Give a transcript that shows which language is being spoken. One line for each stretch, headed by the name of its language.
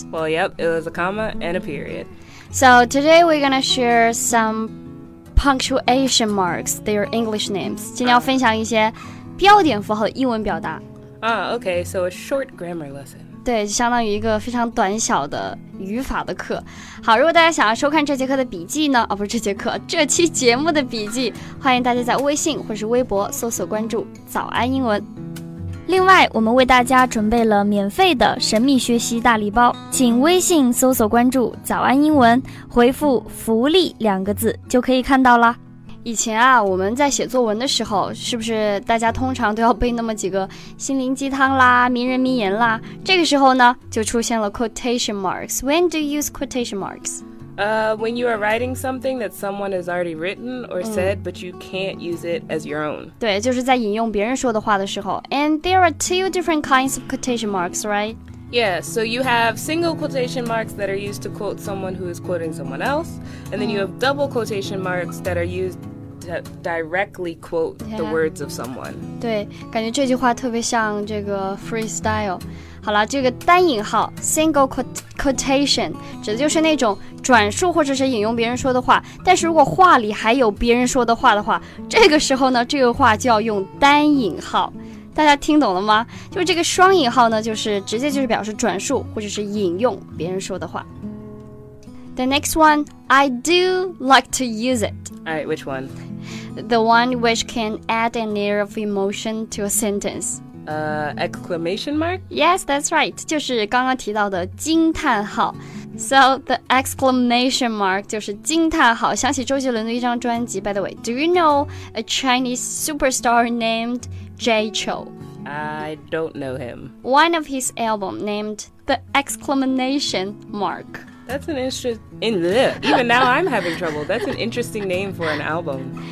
English: Well, yep, it was a comma and a period. So today we're gonna share some punctuation marks, their English names.
Chinese: 今天要分享一些标点符号的英文表达。
English: Okay, so a short grammar lesson.
Chinese: 对，相当于一个非常短小的语法的课。好，如果大家想要收看这节课的笔记呢，不是这节课，这期节目的笔记，欢迎大家在微信或是微博搜索关注早安英文。另外，我们为大家准备了免费的神秘学习大礼包，请微信搜索关注早安英文，回复福利两个字就可以看到了。以前啊，我们在写作文的时候，是不是大家通常都要背那么几个心灵鸡汤啦、名人名言啦？这个时候呢，就出现了 quotation marks.
English: When do you use quotation marks? When you are writing something that someone has already written or said, but you can't use it as your own.
Chinese: 对，就是在引用别人说的话的时候。
English: And there are two different kinds of quotation marks, right? Yeah, so you have single quotation marks that are used to quote someone who is quoting someone else, and then you have double quotation marks that are used to directly quote the words of someone.
Chinese: 对，感觉这句话特别像这个 freestyle. 好了，这个单引号 single quotation 指的就是那种转述或者是引用别人说的话，但是如果话里还有别人说的话的话，这个时候呢，这个话就要用单引号。大家听懂了吗？就这个双引号呢，就是直接就是表示转述或者是引用别人说的话。
English: The next one, I do like to use it. All right, which one? The one which can add an air of emotion to a sentence. Exclamation mark? Yes, that's right.
Chinese: 就是刚刚提到的惊叹号。
English: So the exclamation mark
Chinese: 就是惊叹号。想起周杰伦的一张专辑。
English: By the way, do you know a Chinese superstar named Jay Chou? I don't know him. One of his album named the exclamation mark. That's an interesting. Even now I'm having trouble. That's an interesting name for an album.